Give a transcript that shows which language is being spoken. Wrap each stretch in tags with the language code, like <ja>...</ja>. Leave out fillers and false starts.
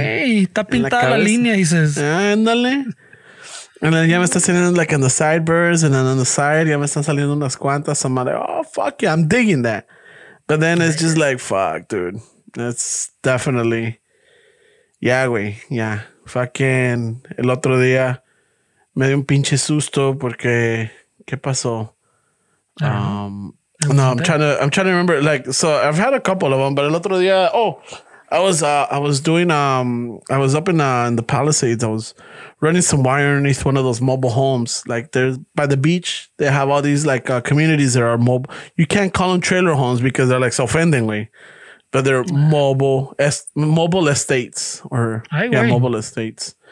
<es>Hey, está pintada la línea,</es> <en>he says. Ándale. And then</en> <es>ya me está saliendo</es> <en>like on the sideburns and then on the side</en> <es>ya me están saliendo unas cuantas.</es> <en>So I'm like, oh fuck yeah, I'm digging that. But then it's just like fuck, dude. That's definitely, yeah, güey, yeah. Fucking</en> <es>el otro día me dio un pinche susto porque ¿qué pasó?</es> <en>I'm trying to remember. Like, so I've had a couple of them, but</en> <es>el otro día,</es> <en>I was up in the Palisades. I was running some wire underneath one of those mobile homes. Like, there's by the beach, they have all these like communities that are mobile. You can't call them trailer homes because they're like self-endingly, but they're mobile estates or mobile estates.</en>